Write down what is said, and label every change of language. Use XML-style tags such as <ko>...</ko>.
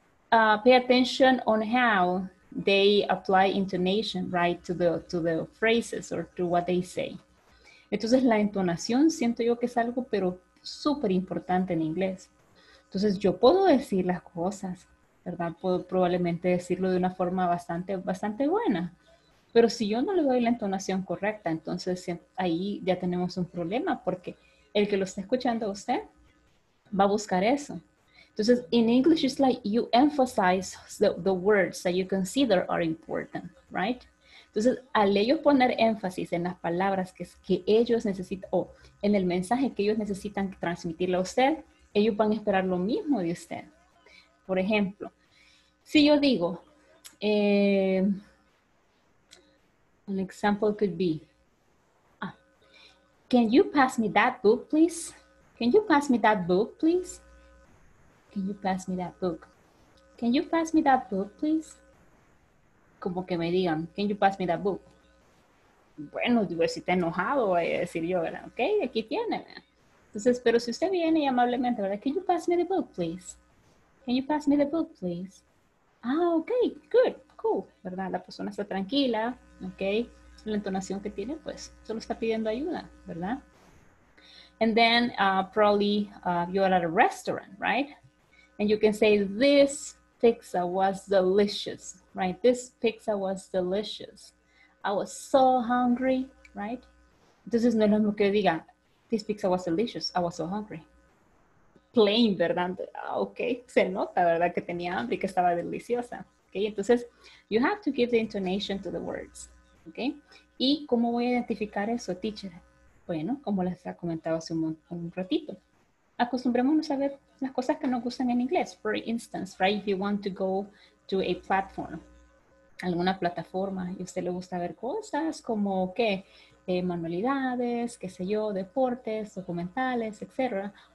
<en>Pay attention on how they apply intonation, right? To the phrases or to what they say.</en> <es>Entonces, la entonación siento yo que es algo, pero súper importante en inglés. Entonces, yo puedo decir las cosas, ¿verdad? Puedo probablemente decirlo de una forma bastante, bastante buena. Pero si yo no le doy la entonación correcta, entonces ahí ya tenemos un problema porque el que lo está escuchando a usted va a buscar eso.</es> <en>Entonces, in English, it's like you emphasize the words that you consider are important, right?</en> <es>Entonces, al ellos poner énfasis en las palabras que ellos necesitan o en el mensaje que ellos necesitan transmitirle a usted, ellos van a esperar lo mismo de usted. Por ejemplo, si yo digo,</es> <en>an example could be, can you pass me that book, please? Can you pass me that book, please? Can you pass me that book? Can you pass me that book, please?</en> <es>Como que me digan,</es> <en>can you pass me that book?</en> <es>Bueno, digo, si está enojado, voy a decir yo, ¿verdad? Ok, aquí tiene. Entonces, pero si usted viene y amablemente, ¿verdad?</es> <en>Can you pass me the book, please? Can you pass me the book, please?</en> <es>Ah, ok,</es> <en>good, cool,</en> <es>¿verdad? La persona está tranquila, ok. La entonación que tiene, pues, solo está pidiendo ayuda, ¿verdad?</es> <en>And then, probably, you're at a restaurant, right? And you can say, this pizza was delicious. Right, this pizza was delicious. I was so hungry, right?</en> <es>Entonces no es lo mismo que diga,</es> <en>this pizza was delicious, I was so hungry. Plain, ¿verdad?</en> <es>Ok, se nota, ¿verdad? Que tenía hambre y que estaba deliciosa.</es> <en>Ok, entonces, you have to give the intonation to the words.</en> <es>Ok, ¿y cómo voy a identificar eso, teacher? Bueno, como les he comentado hace un ratito, acostumbrémonos a ver las cosas que nos gustan en inglés.</es> <en>For instance, right, if you want to go to a platform,</en> <es>alguna plataforma, y a usted le gusta ver cosas como qué, manualidades, qué sé yo, deportes, documentales, etc.</es>